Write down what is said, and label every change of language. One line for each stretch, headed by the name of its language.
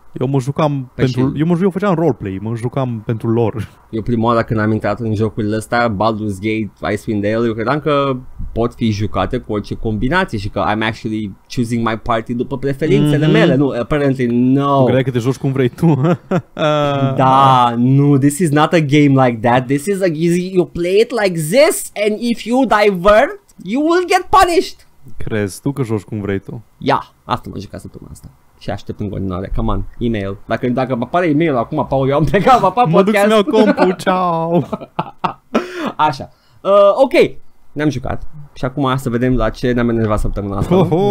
Romanian: Eu mă jucam făceam roleplay, mă jucam pentru lor. Eu prima oară când am intrat în jocurile astea, Baldur's Gate, Icewind Dale, eu credeam că pot fi jucate cu orice combinație și că
English: I'm actually choosing my party
Romanian: după preferințele mele. Nu,
English: apparently, no.
Romanian: Tu credeai că te joci cum vrei tu. Da, nu,
English: this is not a game like that. This is you play it like this and if you divert, you will get punished.
Romanian: Crezi tu că joci cum vrei tu? Ia, asta mă jucat săptămâna asta. Și aștept în continuare.
English: Come on,
Romanian: e-mail. Dacă apare e-mail acum, Paul, eu am plecat, papa, podcast. Mă duc să-mi iau compu, ciao. Așa. Ok, ne-am jucat. Și acum să vedem la ce ne-am enervat săptămâna asta.